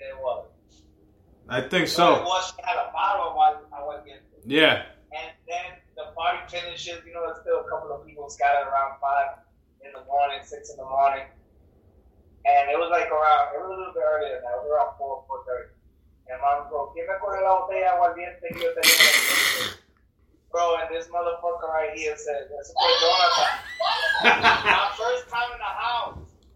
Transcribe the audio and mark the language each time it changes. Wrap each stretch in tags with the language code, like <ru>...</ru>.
<en>It was. I think so. She had a bottle of aguardiente. Yeah. And then the party finishes. You know, there's still a couple of people scattered around 5 in the morning, 6 in the morning. And it was like around, it was a little bit earlier than that. It was around 4, 4:30. And mom goes,</en> <es>¿Quién me coge la botella aguardiente que yo tenía?</es> <en>Bro, and this motherfucker right here said, that's a donut. My first time in the house.</en>